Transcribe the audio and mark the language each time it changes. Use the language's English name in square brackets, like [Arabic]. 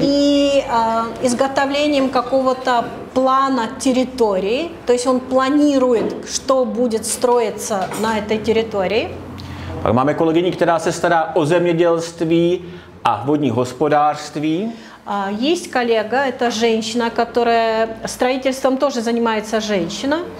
[Russian] И изготовлением какого-то плана территории, то есть он планирует, что будет строиться на этой территории. [Czech] Pak máme kolegyni, která se stará o zemědělství a vodní hospodářství. [Russian] Есть коллега, это женщина, которая строительством тоже занимается женщина.